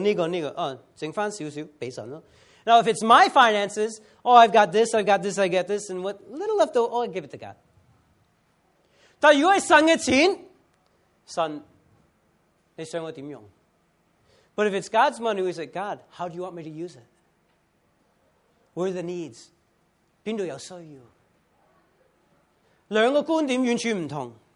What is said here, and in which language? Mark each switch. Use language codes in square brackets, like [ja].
[zh] 如果是我的錢,我運用,我有這個,這個,這個,這個,這個,剩下一點點,給神咯. [en] Now, if it's my finances, oh, I've got this, and what little left over, oh, I give it to God. [zh] 但如果是神的錢,神,你想我怎樣用? [en] But if it's God's money, we say, God, how do you want me to use it? Where are the needs? [zh] 哪裡有需要? 兩個觀點完全不同.